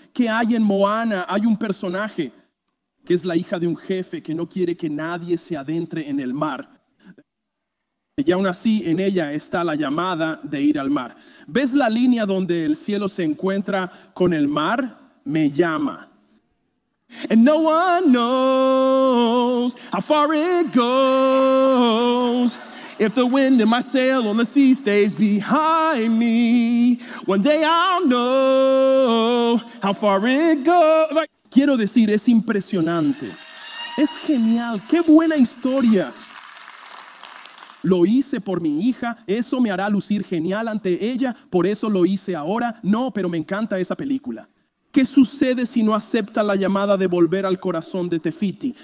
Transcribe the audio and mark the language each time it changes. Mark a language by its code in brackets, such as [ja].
[es] ¿Qué hay en Moana? Hay un personaje que es la hija de un jefe que no quiere que nadie se adentre en el mar. Y aún así en ella está la llamada de ir al mar. ¿Ves la línea donde el cielo se encuentra con el mar? Me llama. [en] And no one knows how far it goes. If the wind in my sail on the sea stays behind me, one day I'll know how far it goes. [es] Quiero decir, es impresionante. Es genial. Qué buena historia. Lo hice por mi hija. Eso me hará lucir genial ante ella. Por eso lo hice ahora. No, pero me encanta esa película. ¿Qué sucede si no acepta la llamada de volver al corazón de Tefiti?